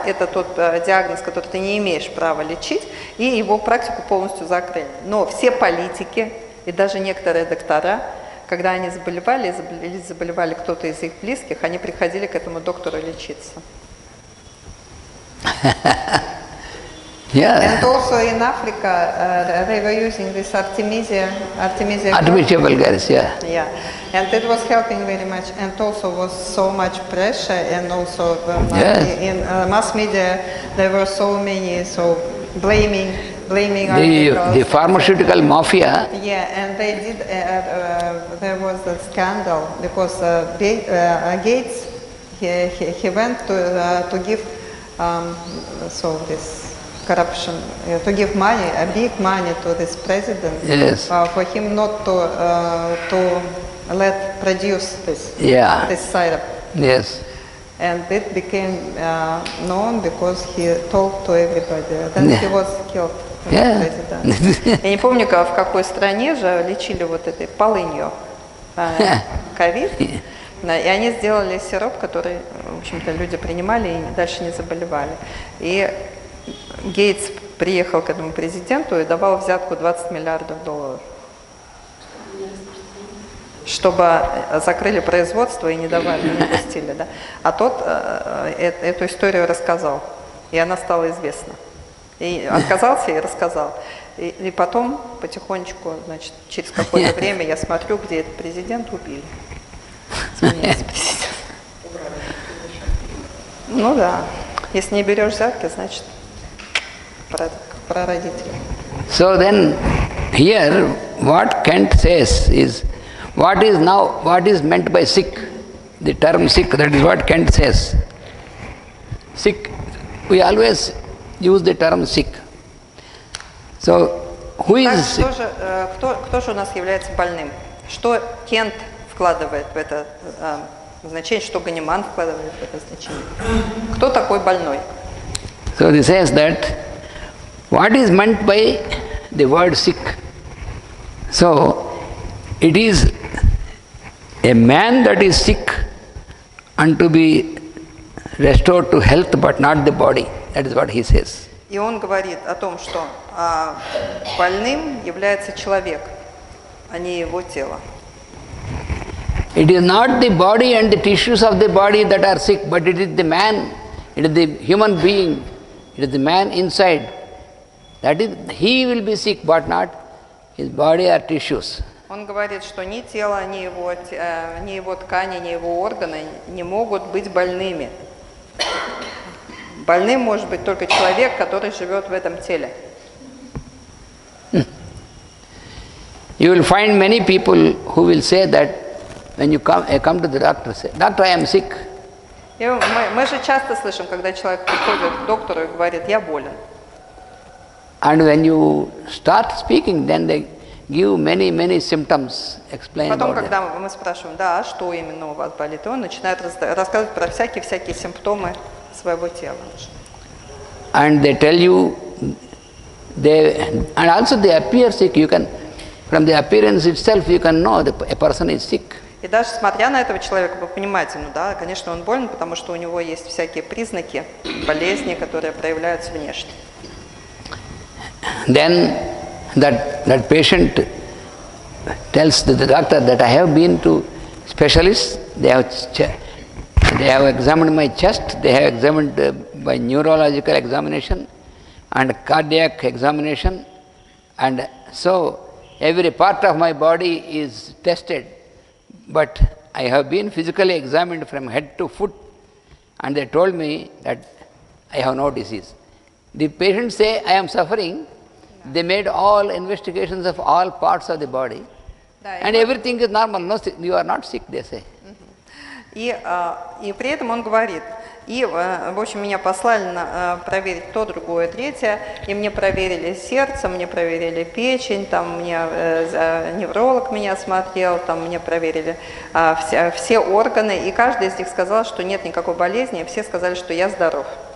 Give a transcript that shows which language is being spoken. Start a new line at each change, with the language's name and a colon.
Russian: Это тот диагноз, который ты не имеешь права лечить. И его практику полностью закрыли. Но все политики и даже некоторые доктора, когда они заболевали или заболевали кто-то из их близких, они приходили к этому доктору лечиться.
English: Yeah. And also in Africa, they were using this Artemisia. Artemisia vulgaris, yeah. Yeah, and it was helping very much. And also was so much pressure, and also in mass media there were so many blaming the pharmaceutical mafia. Yeah, and they did. There was a scandal because Gates he went to give solve this corruption, to give money, a big money to this president, yes. For him not to to let produce this, yeah. This syrup. Yes. And it became known because he talked to everybody. Then yeah. He was killed. Yeah.
Russian: Я не помню, как, в какой стране же лечили вот этой полынью ковид. И они сделали сироп, который, в общем-то, люди принимали и дальше не заболевали. И Гейтс приехал к этому президенту и давал взятку 20 миллиардов долларов. Чтобы закрыли производство и не давали, не пустили. Да? А тот эту историю рассказал. И она стала известна. И отказался и рассказал. И потом потихонечку, значит, через какое-то время я смотрю, где этот президент убили. Сменился президент. Ну да. Если не берешь взятки, значит, прародитель.
English: So then, here, what Kant says is, what is now, what is meant by sick? The term sick, that is what Kant says. Sick, we always use the term sick. So, who is sick?
Russian: Кто же у нас является больным? Что Кент вкладывает в это значение? Что Ганиман вкладывает в это значение? Кто такой больной?
English: So, he says that what is meant by the word sick? So, it is a man that is sick and to be restored to health but not the body. That is what he says.
Russian: И он говорит о том, что больным является человек, а не его тело.
English: It is not the body and the tissues of the body that are sick, but it is the man, it is the human being, it is the man inside. That is, he will be sick, but not his body or tissues.
Russian: Он говорит, что ни тело, ни его ткани, ни его органы не могут быть больными. Больным может быть только человек, который живет в этом теле.
English: You will find many people who will say that when you come to the doctor, say, doctor, I am sick.
Russian: Мы же часто слышим, когда человек приходит к доктору и говорит, я болен.
English: And when you start speaking, then they give many, many symptoms, explain
Russian: потом,
English: about
Russian: когда мы спрашиваем, да, что именно у вас болит, он начинает рассказывать про всякие симптомы своего тела.
English: And they tell you, they, and also they appear sick, you can, from the appearance itself, you can know that a person is sick.
Russian: И даже смотря на этого человека, вы понимаете, ну да, конечно, он болен, потому что у него есть всякие признаки болезни, которые проявляются внешне.
English: Then that patient tells the doctor that I have been to specialists, they have examined my chest, they have examined by neurological examination and cardiac examination, and so every part of my body is tested, but I have been physically examined from head to foot, and they told me that I have no disease. The patients say I am suffering. They made all investigations of all parts of the body, and everything is normal. No, you are not sick, they say.
Russian: И при этом он говорит, и в общем меня послали на проверить то, другое, третье, и мне проверили сердце, мне проверили печень, там мне невролог меня смотрел, там мне проверили все органы, и каждый из них сказал, что нет никакой болезни, и все сказали, что я здоров.